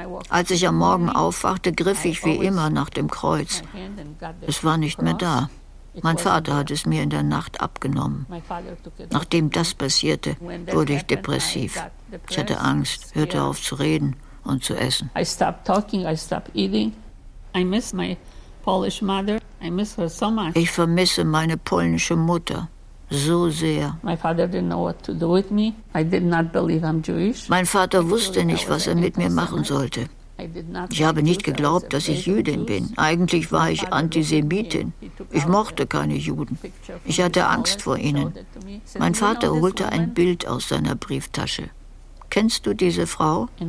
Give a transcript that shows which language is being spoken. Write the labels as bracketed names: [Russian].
[German] Als ich am Morgen aufwachte, griff ich wie immer nach dem Kreuz. Es war nicht mehr da. Mein Vater hat es mir in der Nacht abgenommen. Nachdem das passierte, wurde ich depressiv. Ich hatte Angst, hörte auf zu reden und zu essen. [English] I stopped talking, I stopped eating. I miss my Polish mother. I miss her so much. [German] Ich vermisse meine polnische Mutter so sehr. [English] My father didn't know what to do with me. I did not believe I'm Jewish. [German] Mein Vater wusste nicht, was er mit mir machen sollte. Ich habe nicht geglaubt, dass ich Jüdin bin. Eigentlich war ich Antisemitin. Ich mochte keine Juden. Ich hatte Angst vor ihnen. Mein Vater holte ein Bild aus seiner Brieftasche. Kennst du diese Frau?